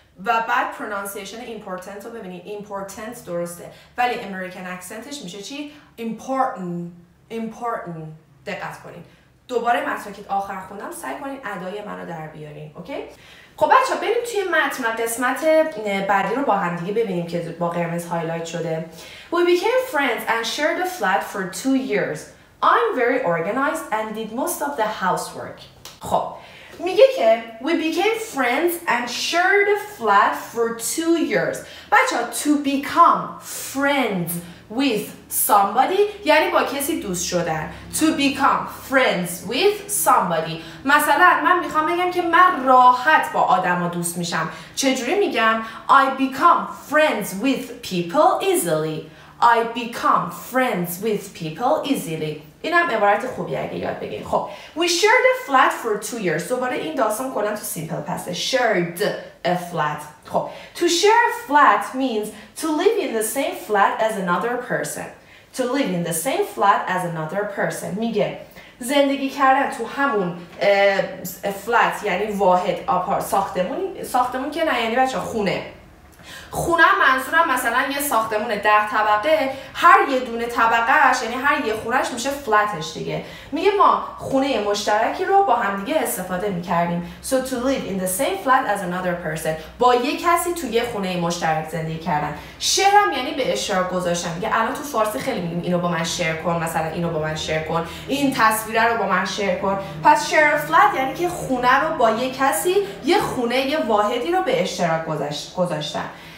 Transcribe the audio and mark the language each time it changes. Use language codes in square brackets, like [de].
[fa] و بعد پرونانسیشن important رو ببینید، important درسته ولی امریکن اکسنتش میشه چی؟ important. دقت کنید دوباره مطرکت آخر خوندم، سعی کنید ادای منو در بیارین. اوکی؟ خب بچه ها بریم توی متن قسمت بعدی رو با هم دیگه ببینیم که با قرمز هایلایت شده. [en] We became friends and shared a flat for 2 years. I'm very organized and did most of the housework. [fa] خب میگه که [en] we became friends and shared a flat for 2 years. بچه ها to become friends with somebody یعنی با کسی دوست شدن. To become friends with somebody. [fa] مثلا من میخوام بگم که من راحت با آدم ها دوست میشم. چجوری میگم؟ [en] I become friends with people easily. I become friends with people easily. [fa] این هم عبارت خوبی اگه یاد بگیم. [en] خب we shared a flat for 2 years. [fa] دوباره این داستان کنن تو سیمپل پسته. [en] shared a flat. خب to share a flat means to live in the same flat as another person. to live in the same flat as another person. [fa] میگه زندگی کردن تو همون flat یعنی واحد آپار ساختمون که نه، یعنی بچه خونه. خونه منظورم مثلا یه ساختمون 10 طبقه، هر یه دونه طبقهش یعنی هر یه خونهش میشه فلاتش دیگه. میگه ما خونه مشترکی رو با همدیگه استفاده میکردیم. [en] So to live in the same flat as another person. [fa] با یه کسی تو یه خونه مشترک زندگی کردن. شیرم یعنی به اشتراک گذاشتن. میگه الان تو فارسی خیلی میگیم اینو با من شیر کن، مثلا اینو با من شیر کن، این تصویر رو با من شیر کن. پس شیر فلات یعنی که خونه رو با یه کسی، یه خونه یه واحدی رو به اشتراک گذاشتن.